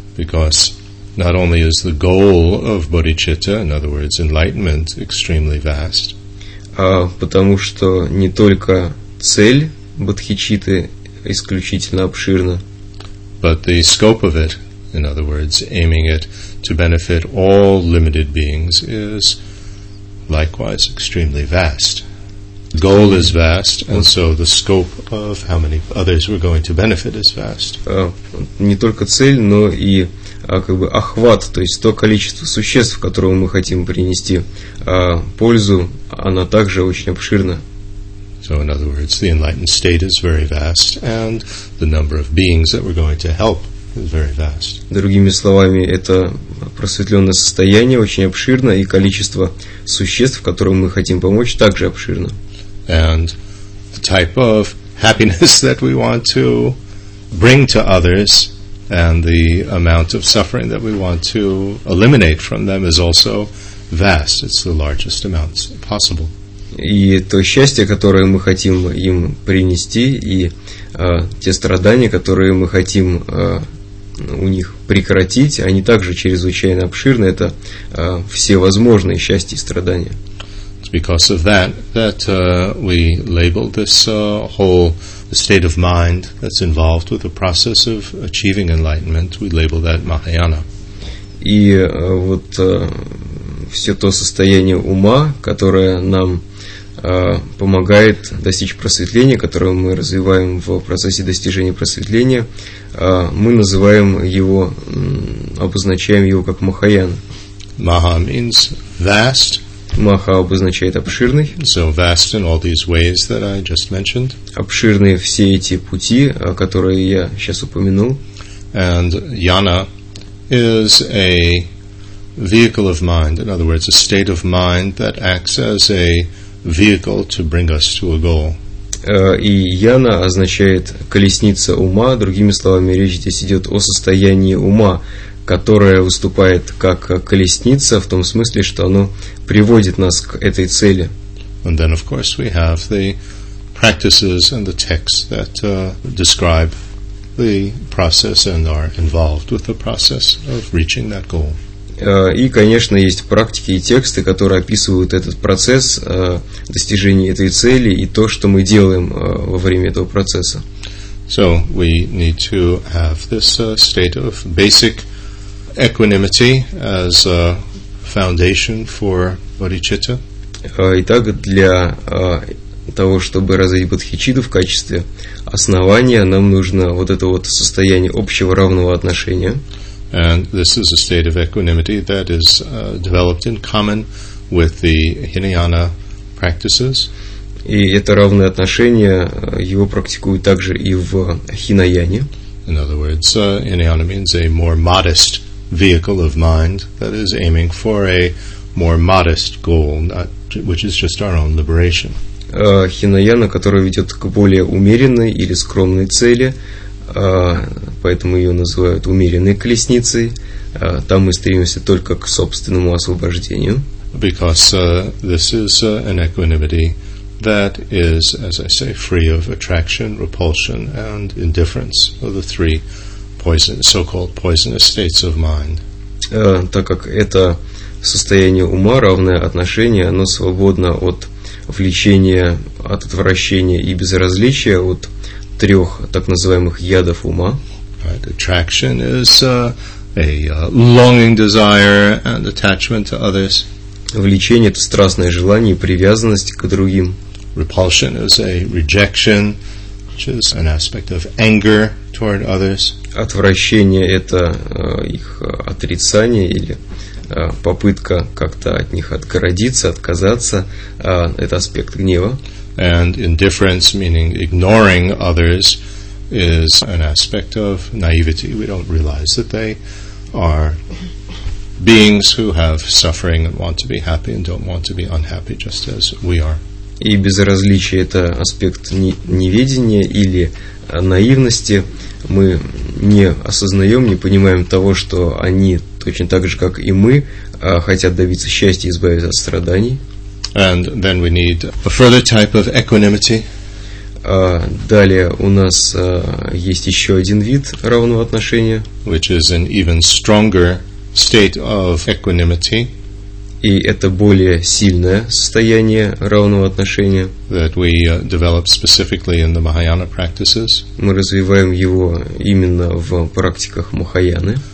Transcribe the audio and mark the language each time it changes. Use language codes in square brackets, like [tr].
[en] Because not only is the goal of bodhicitta, in other words, enlightenment, extremely vast. [ru] Потому что не только цель бодхичитты исключительно обширна. [en] But the scope of it, in other words, aiming it to benefit all limited beings, is likewise extremely vast. Goal is vast, and so the scope of how many others we're going to benefit is vast. [ru] Не только цель, но и как бы охват, то есть то количество существ, которому мы хотим принести пользу, она также очень обширна. [en] So, in other words, the enlightened state is very vast, and the number of beings that we're going to help [ru] Другими словами, это просветленное состояние очень обширно, и количество существ, которым мы хотим помочь, также обширно. [en] And the type of happiness that we want to bring to others and the amount of suffering that we want to eliminate from them is also vast. It's the largest amount possible. [ru] И то счастье, которое мы хотим им принести, и те страдания, которые мы хотим у них прекратить, они также чрезвычайно обширны. Это всевозможные счастья и страдания. [en] It's because of that we label this whole state of mind that's involved with the process of achieving enlightenment. We label that Mahayana. [ru] И вот все то состояние ума, которое нам помогает достичь просветления, которое мы развиваем в процессе достижения просветления, мы называем его, обозначаем его как Махаян. [en] Maha means vast. [ru] Маха обозначает обширный. [en] So vast in all these ways that I just mentioned. [ru] Обширные все эти пути, которые я сейчас упомянул. [en] And Yana is a vehicle of mind. In other words, a state of mind that acts as a vehicle to bring us to a goal. [ru] И Яна означает колесница ума. Другими словами, речь здесь идет о состоянии ума, которое выступает как колесница в том смысле, что оно приводит нас к этой цели. [en] And then, of course, we have the practices and the texts that describe the process and are involved with the process of reaching that goal. [ru] И, конечно, есть практики и тексты, которые описывают этот процесс достижения этой цели и то, что мы делаем во время этого процесса. [en] So we need to have this state of basic equanimity as a foundation for bodhicitta. [ru] Итак, для того, чтобы развить бодхичитту в качестве основания, нам нужно вот это вот состояние общего равного отношения. [en] And this is a state of equanimity that is developed in common with the Hinayana practices. [ru] И это равное отношение, его практикуют также и в Хинаяне. [en] In other words, Hinayana means a more modest vehicle of mind that is aiming for a more modest goal, which is just our own liberation. [ru] Хинаяна, которая ведет к более умеренной или скромной цели, поэтому ее называют умеренной колесницей. Там мы стремимся только к собственному освобождению. [en] Because this is an equanimity that is, as I say, free of attraction, repulsion, and indifference, of the three poison, so-called poisonous states of mind. [ru] Так как это состояние ума, равное отношение, оно свободно от влечения, от отвращения и безразличия, от трех так называемых ядов ума. [en] Right. Attraction is a longing desire and attachment to others. [ru] Влечение — это страстное желание и привязанность к другим. [en] Repulsion is a rejection, which is an aspect of anger toward others. [ru] Отвращение — это их отрицание или попытка как-то от них отгородиться, отказаться. Это аспект гнева. [en] And indifference, meaning ignoring others, is an aspect of naivety. We don't realize that they are beings who have suffering and want to be happy and don't want to be unhappy, just as we are. [ru] И безразличие – это аспект неведения или наивности. Мы не осознаем, не понимаем того, что они точно так же, как и мы, хотят добиться счастья и избавиться от страданий. [en] And then we need a further type of equanimity. [ru] Далее у нас есть еще один вид равного отношения, [en] which is an even stronger state of equanimity. [ru] И это более сильное состояние равного отношения. [en] That we develop specifically in the Mahayana practices. [ru] Мы развиваем его именно в практиках Махаяны,